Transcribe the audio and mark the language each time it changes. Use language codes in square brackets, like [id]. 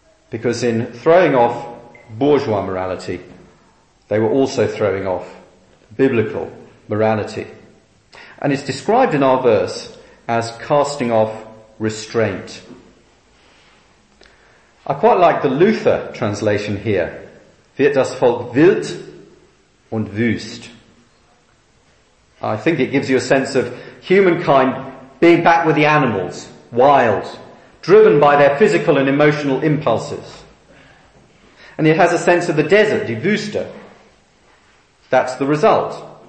[en] Because in throwing off bourgeois morality, they were also throwing off biblical morality. And it's described in our verse as casting off restraint. I quite like the Luther translation here. [de] Wird das Volk wild und wüst. [en] I think it gives you a sense of humankind being back with the animals, wild, driven by their physical and emotional impulses. And it has a sense of the desert, die Wüste. That's the result.